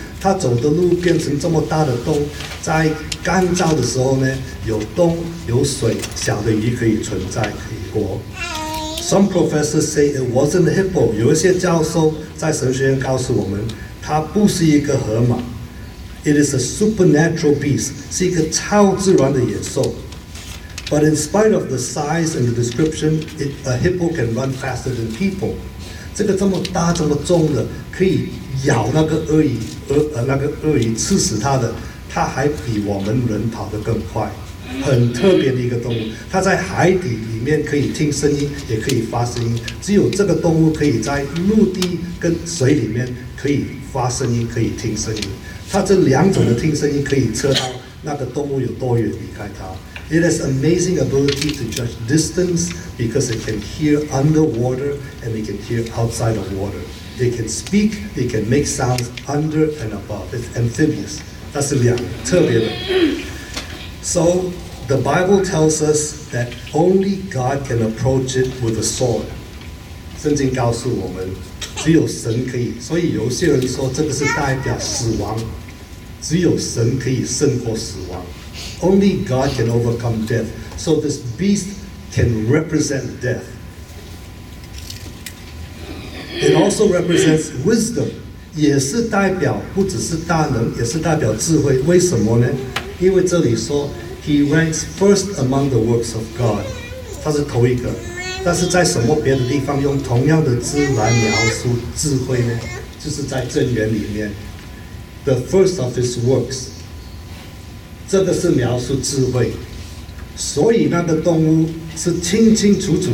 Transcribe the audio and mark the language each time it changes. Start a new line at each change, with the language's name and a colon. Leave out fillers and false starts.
Chinese: 它走的路变成这么大的洞，在干燥的时候呢，有洞有水，小的鱼可以存在可以活。
English: Some professors say it wasn't a hippo.
Chinese: 有一些教授在神学院告诉我们，它不是一个河马。
English: It is a supernatural beast.
Chinese: 是一个超自然的野兽。
English: But in spite of the size and the description, a hippo can run faster than people.
Chinese: 这个这么大这么重的可以咬那个鳄鱼那个鳄鱼吃死它的，它还比我们人跑得更快，很特别的一个动物。它在海底里面可以听声音，也可以发声音，只有这个动物可以在陆地跟水里面可以发声音，可以听声音。它这两种的听声音可以测到那个动物有多远离开它。
English: It has amazing ability to judge distance because it can hear underwater and it can hear outside of water. It can speak, it can make sounds under and above. It's amphibious. That's the thing,
Chinese: 特别的。
English: So, the Bible tells us that only God can approach it with a sword.
Chinese: 圣经告诉我们，只有神可以。所以有些人说这个是代表死亡，只有神可以胜过死亡。
English: Only God can overcome death. So this beast can represent death. It also represents wisdom.
Chinese: 也是代表不只是大能，也是代表智慧。为什么呢？因为这里说
English: He ranks first among the works of God.
Chinese: 他是头一个。但是在什么别的地方用同样的字来描述智慧呢？就是在箴言里面
English: The first of his works.
Chinese: 这个是描述智慧，所以那个动物是清清楚楚。